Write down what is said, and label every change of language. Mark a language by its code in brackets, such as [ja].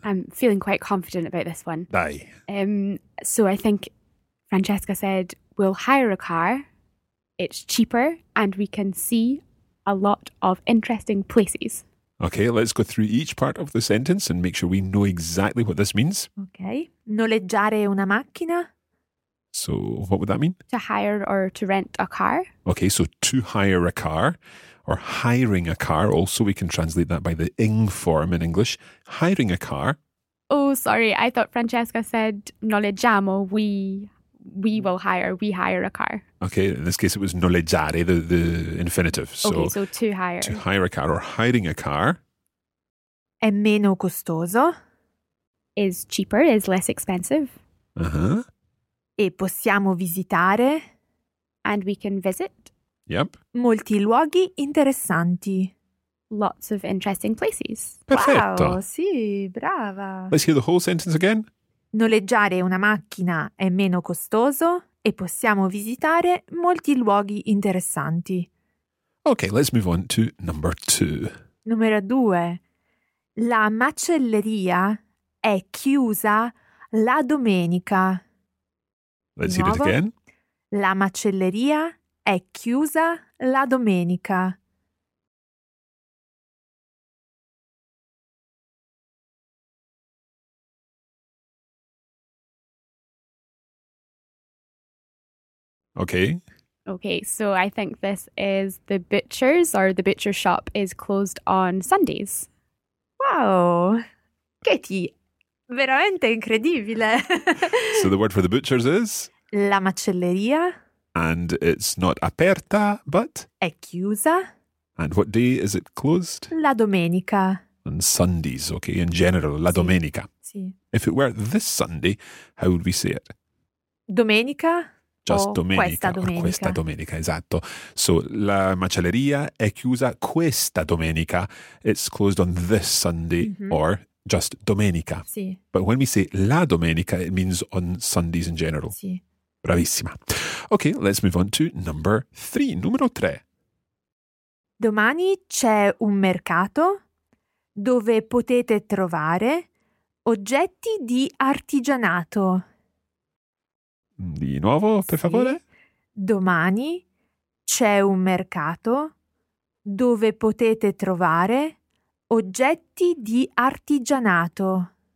[en] I'm feeling quite confident about this one. [it] Dai. [en] So I think Francesca said, we'll hire a car, it's cheaper, and we can see a lot of interesting places. Okay, let's go through each part of the sentence and make sure we know exactly what this means. Okay. [it] Noleggiare una macchina. [en] So what would that mean? To hire or to rent a car. Okay, so to hire a car. Or hiring a car, also we can translate that by the ing form in English. Hiring a car. Oh, sorry, I thought Francesca said noleggiamo, we will hire, we hire a car. Okay, in this case it was noleggiare, the infinitive. So, okay, so to hire. To hire a car or hiring a car. [it] È meno costoso. [en] Is cheaper, is less expensive. Uh-huh. [it] E possiamo visitare. [en] And we can visit. Yep. [it] Molti luoghi interessanti. [en] Lots of interesting places. [it] Perfetto. Wow, sì, brava. [en] Let's hear the whole sentence again. [it] Noleggiare una macchina è meno costoso e possiamo visitare molti luoghi interessanti. [en] Okay, let's move on to number two. [it] Numero due. La macelleria è chiusa la domenica. [en] Let's hear it again. [it] La macelleria è chiusa la domenica. [en] Okay. Okay, so I think this is the butcher's or the butcher shop is closed on Sundays. Wow. [it] Katie, veramente incredibile. [en] So the word for the butcher's is? [it] La macelleria. [en] And it's not aperta, but? [it] È chiusa. [en] And what day is it closed? [it] La domenica. [en] On Sundays, okay, in general, la [it] sì. Domenica. Sì. [en] If it were this Sunday, how would we say it? [it] Domenica. [en] Just [it] o domenica. Questa domenica. Or questa domenica, esatto. So, la macelleria è chiusa questa domenica. [en] It's closed on this Sunday, mm-hmm. or just domenica. [it] Sì. [en] But when we say la domenica, it means on Sundays in general. [it] Sì. Bravissima. [en] Okay, let's move on to number three. [it] Numero tre. Domani c'è un mercato dove potete trovare oggetti di artigianato. Di nuovo, per favore? Sì. Domani c'è un mercato dove potete trovare oggetti di artigianato.